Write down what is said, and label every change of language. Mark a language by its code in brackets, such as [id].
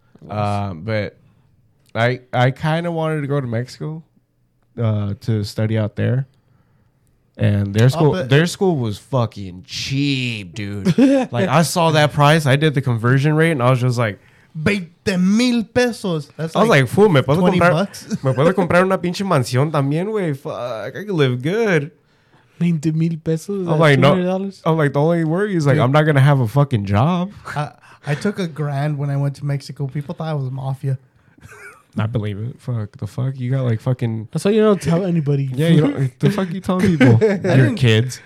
[en] But I kind of wanted to go to Mexico to study out there. And their school was fucking cheap, dude. Like, I saw that price. I did the conversion rate, and I was just like, [es] 20 mil pesos. [en] That's I was like, fool, [es] me puedo comprar. Me puedo comprar una pinche mansión también, güey. [en] Fuck, I can live good. [es] 20 mil pesos. [en] I'm like, $200? No. I'm like, the only worry is, like, yeah. I'm not going to have a fucking job. I took a grand when I went to Mexico. People thought I was a mafia. I believe it. Fuck. The fuck? You got, like, fucking. That's why you don't tell anybody. Yeah, you don't. The fuck you telling people? Your kids?